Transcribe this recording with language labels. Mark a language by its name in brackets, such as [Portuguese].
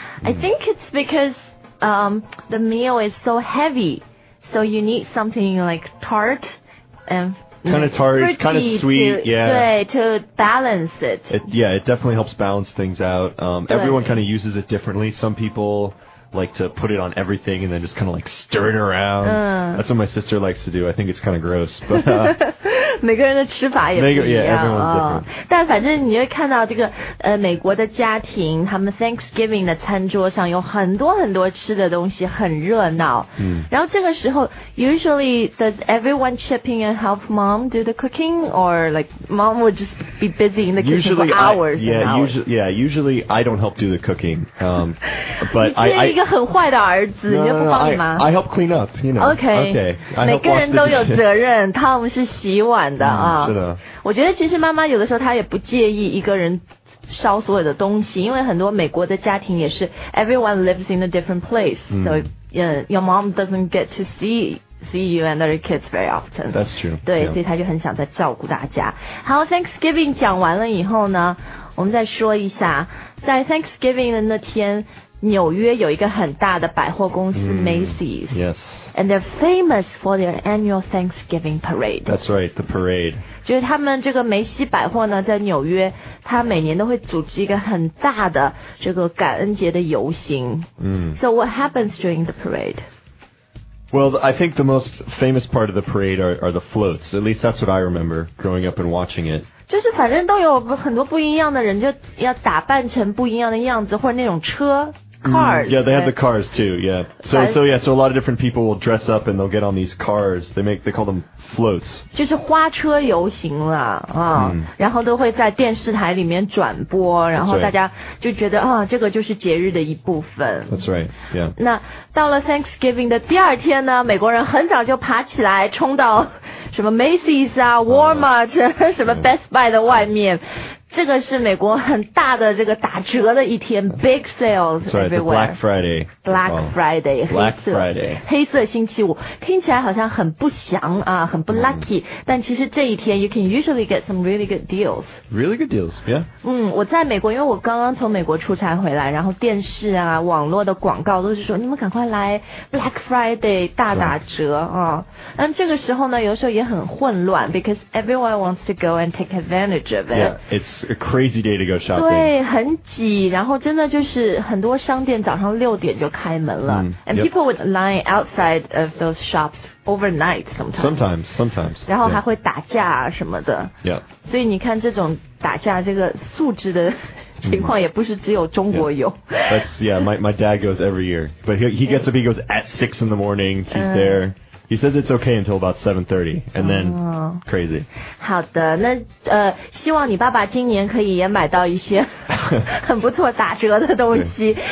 [English] I think it's because the meal is so heavy, so you need something like tart and. Kind of tart, kind of sweet, to balance it. It definitely helps balance things out. Everyone kind of uses it differently. Some people like to put it on everything and then just kind of like stir it around. That's what my sister likes to do. I think it's kind of gross. But, [Chinese] 每个人的吃法也不一样。但反正你会看到这个美国的家庭，他们 Thanksgiving 的餐桌上有很多很多吃的东西，很热闹。然后这个时候 [English] ，usually does everyone chip in and help mom do the cooking, or like mom would just be busy in the kitchen usually for hours? Usually I don't help do the cooking. But [Chinese] 你是一个很坏的儿子，你就不帮你吗 [English] ？I help clean up, you know. [Chinese] Okay. 每个人都有责任。Tom 是洗碗。是的，我觉得其实妈妈有的时候她也不介意一个人烧所有的东西，因为很多美国的家庭也是 [English] everyone lives in a different place, so your mom doesn't get to see you and other kids very often. That's true. [Chinese] 对、 [English] yeah. [Chinese] 所以她就很想在照顾大家。好 Thanksgiving 讲完了以后呢，我们再说一下，在 Thanksgiving 的那天，纽约有一个很大的百货公司 Macy's. Yes. And they're famous for their annual Thanksgiving parade. That's right, the parade. 就是他们这个梅西百货呢，在纽约，他每年都会组织一个很大的这个感恩节的游行。嗯。 [English] So what happens during the parade? Well, I think the most famous part of the parade are the floats. At least that's what I remember growing up and watching it. [Chinese] 就是反正都有很多不一样的人就要打扮成不一样的样子或者那种车 cars. [English] Yeah, they have the cars too, yeah. So a lot of different people will dress up and they'll get on these cars. They call them floats. [Chinese] 就是花车游行了、啊 然后都会在电视台里面转播然后大家就觉得、 [English] right. [Chinese] 啊、这个就是节日的一部分。 [English] That's right, yeah. [Chinese] 那到了 Thanksgiving 的第二天呢美国人很早就爬起来冲到什么 Macy's 啊 Walmart、什么 Best Buy 的外面、这个是美国很大的这个打折的一天 [English] Big sales That's right, everywhere Black Friday Black Friday、 oh, Black Friday [Chinese] 黑色星期五听起来好像很不祥啊很不 lucky、但其实这一天 [English] You can usually get some really good deals Really good deals, yeah [Chinese] 嗯，我在美国因为我刚刚从美国出差回来然后电视啊网络的广告都是说你们赶快来 Black Friday 大打折啊。那、这个时候呢有时候也很混乱 [English] Because everyone wants to go and take advantage of it Yeah, It's a crazy day to go shopping. [Chinese] 对，很挤，然后真的就是很多商店早上六点就开门了。 [English] And people would line outside of those shops overnight sometimes. Sometimes. [Chinese] 然后还会打架啊什么的。 [English] Yeah. [Chinese] 所以你看这种打架这个素质的情况也不是只有中国有。 [English] My dad goes every year. But he gets up, he goes at 6 in the morning, he's there. He says it's okay until about 7:30, and then crazy. [Chinese] 好的，那希望你爸爸今年可以也买到一些很不错打折的东西。